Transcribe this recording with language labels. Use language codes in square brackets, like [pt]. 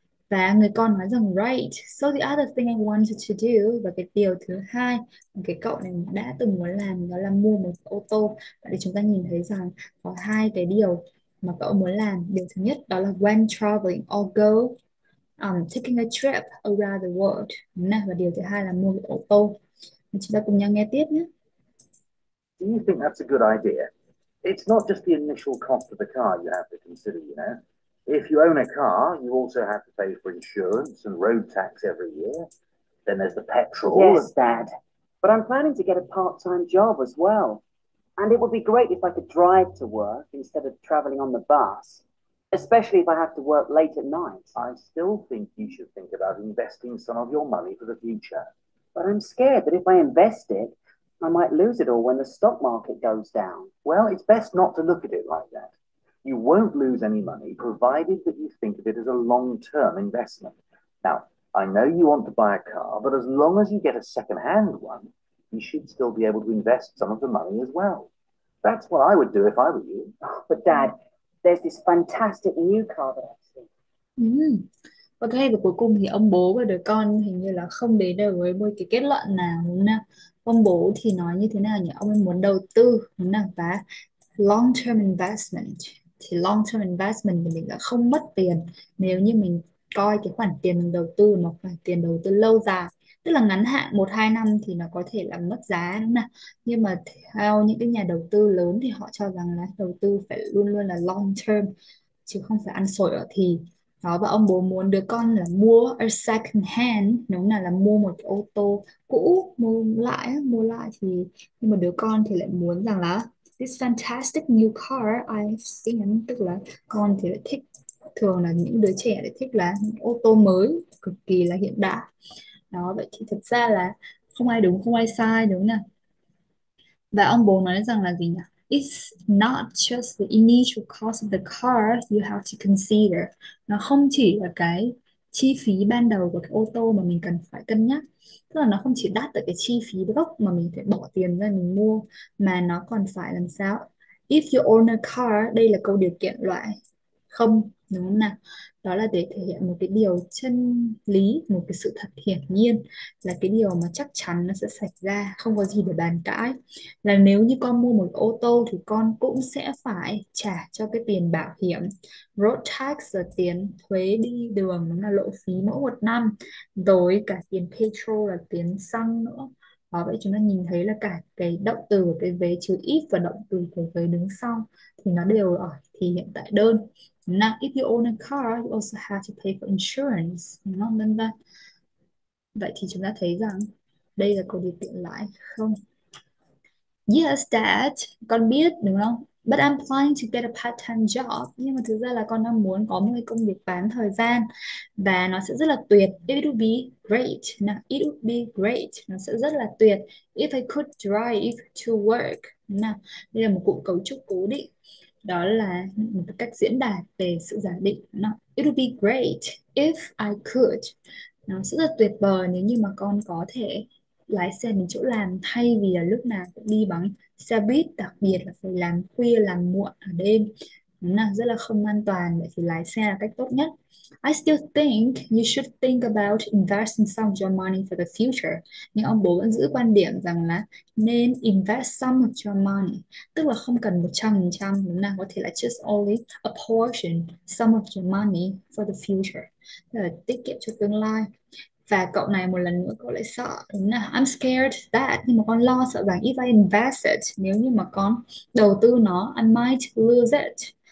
[vi] Và người con nói rằng [en] right, so the other thing I wanted to do, [vi] và cái điều thứ hai cái cậu này đã từng muốn làm đó là mua một ô tô. Để chúng ta nhìn thấy rằng có hai cái điều mà cậu muốn làm. Điều thứ nhất đó là [en] when traveling or go taking a trip around the world, [vi] và điều thứ hai là mua một ô tô. Chúng ta cùng nhau nghe tiếp nhé. [en] Do you think that's a good idea? It's not just the initial cost of the car you have to consider, you know. If you own a car, you also have to pay for insurance and road tax every year. Then there's the petrol. Yes, Dad. But I'm planning to get a part-time job as well. And it would be great if I could drive to work instead of traveling on the bus, especially if I have to work late at night. I still think you should think about investing some of your money for the future. But I'm scared that if I invest it, I might lose it all when the stock market goes down. Well, it's best not to look at it like that. You won't lose any money, provided that you think of it as a long-term investment. Now, I know you want to buy a car, but as long as you get a second-hand one, you should still be able to invest some of the money as well. That's what I would do if I were you. Oh, but Dad, there's this fantastic new car that I've seen. [vi] Ok, và cuối cùng thì ông bố và đứa con hình như là không đến được với một cái kết luận nào đúng không? Ông bố thì nói như thế nào nhỉ? Ông ấy muốn đầu tư đúng không? Và [en] long term investment. [vi] Thì [en] long term investment [vi] thì mình đã không mất tiền nếu như mình coi cái khoản tiền mình đầu tư một khoản tiền đầu tư lâu dài, tức là ngắn hạn 1-2 năm thì nó có thể là mất giá đúng không? Nhưng mà theo những cái nhà đầu tư lớn thì họ cho rằng là đầu tư phải luôn luôn là long term chứ không phải ăn sổi ở thì. Đó, và ông bố muốn đứa con là mua [en] a second hand, [vi] nếu là mua một cái ô tô cũ mua lại thì, nhưng mà đứa con thì lại muốn rằng là [en] this fantastic new car I've seen, [vi] tức là con thì lại thích, thường là những đứa trẻ lại thích là ô tô mới cực kỳ là hiện đại. Đó, vậy thì thật ra là không ai đúng không ai sai đúng nào. Và ông bố nói rằng là gì nhỉ? [en] It's not just the initial cost of the car you have to consider. [vi] Nó không chỉ là cái chi phí ban đầu của cái ô tô mà mình cần phải cân nhắc. Tức là nó không chỉ đắt được cái chi phí gốc mà mình phải bỏ tiền ra mình mua, mà nó còn phải làm sao? [en] If you own a car, [vi] đây là câu điều kiện loại không, đúng không nào? Đó là để thể hiện một cái điều chân lý, một cái sự thật hiển nhiên, là cái điều mà chắc chắn nó sẽ xảy ra, không có gì để bàn cãi. Là nếu như con mua một ô tô thì con cũng sẽ phải trả cho cái tiền bảo hiểm, road tax, rồi tiền thuế đi đường, nó là lộ phí mỗi một năm, rồi cả tiền petrol là tiền xăng nữa. Đó, vậy chúng ta nhìn thấy là cả cái động từ của cái vế chữ if và động từ của cái vế đứng sau thì nó đều ở thì hiện tại đơn. [en] Now, if you own a car, you also have to pay for insurance. [vi] Đúng không? Vậy thì chúng ta thấy rằng đây là câu điều kiện lại không? [en] Yes, Dad. [vi] Con biết, đúng không? [en] But I'm planning to get a part-time job. [vi] Nhưng mà thực ra là con đang muốn có một cái công việc bán thời gian. Và nó sẽ rất là tuyệt. [en] It would be great. [vi] Now, it would be great. Nó sẽ rất là tuyệt. [en] If I could drive to work. [vi] Now, đây là một cụm cấu trúc cố định. Đó là một cách diễn đạt về sự giả định. [en] Now, it would be great if I could. [vi] Nó sẽ rất là tuyệt vời nếu như mà con có thể lái xe đến chỗ làm thay vì là lúc nào cũng đi bằng xe buýt, đặc biệt là phải làm khuya, làm muộn ở đêm. Đúng là rất là không an toàn, vậy thì lái xe là cách tốt nhất. [en] I still think you should think about investing some of your money for the future. [vi] Nhưng ông bố vẫn giữ quan điểm rằng là nên [en] invest some of your money, [vi] tức là không cần 100%, đúng là có thể là [en] just only a portion some of your money for the future, [vi] tức là tiết kiệm cho tương lai. Và cậu này một lần nữa cậu lại sợ, đúng là [en] I'm scared that, [vi] nhưng mà con lo sợ rằng [en] if I invest it, [vi] nếu như mà con đầu tư nó, [en] I might lose it.